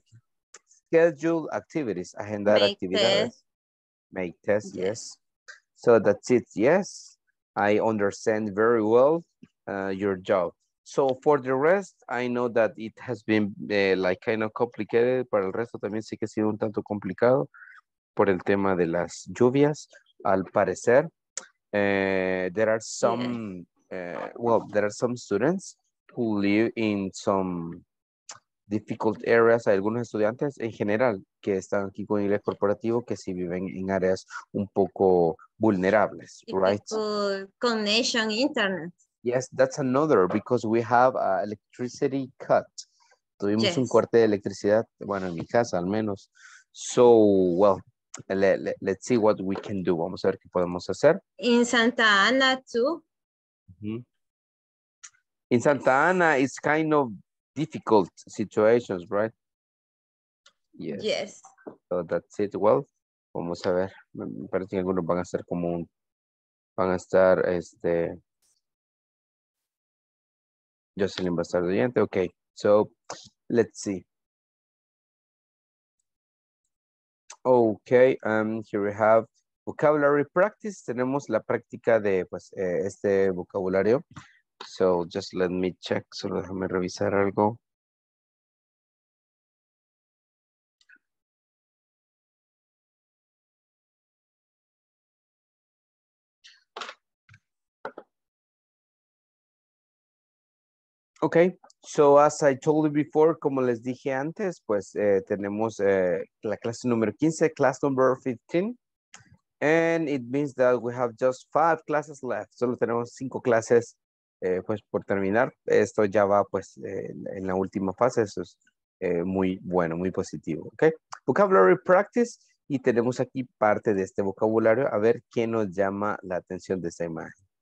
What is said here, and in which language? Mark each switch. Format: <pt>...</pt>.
<en>Like scheduled activities, agendar activities, make tests. Yes. Yes. So that's it. Yes, I understand very well your job. So for the rest, I know that it has been like kind of complicated.</en> <es>Para el resto también sí que ha sido un tanto complicado por el tema de las lluvias. Al parecer,</es> <en>there are some. Yes. Well, there are some students who live in some difficult areas.</en> <es>Hay algunos estudiantes en general que están aquí con inglés corporativo que sí viven en áreas un poco vulnerables, right?</es> <en>Connection internet. Yes, that's another because we have an electricity cut.</en> <es>Tuvimos un corte de electricidad, bueno, en mi casa al menos.</es> <en>So, well, let's see what we can do.</en> <es>Vamos a ver qué podemos hacer.</es> <en>In Santa Ana too. Mm-hmm. In Santa Ana, it's kind of difficult situations, right? Yes. Yes. So that's it. Well,</en> <es>vamos a ver. Me parece que algunos van a ser como un, van a estar, este. Jocelyn va a estar oyente.</es> <en>Okay. So let's see. Okay. Here we have.</en> <es>Vocabulary practice, tenemos la práctica de pues este vocabulario.</es> <en>So just let me check,</en> <es>solo déjame revisar algo.</es> <en>Okay, so as I told you before,</en> <es>como les dije antes, pues tenemos la clase número 15,</es> <en>class number 15. And it means that we have just 5 classes left.</en> <es>Solo tenemos 5 clases pues por terminar. Esto ya va pues en la última fase. Eso es muy bueno, muy positivo. Okay? Vocabulary practice. Y tenemos aquí parte de este vocabulario. A ver qué nos llama la atención de esta imagen.</es>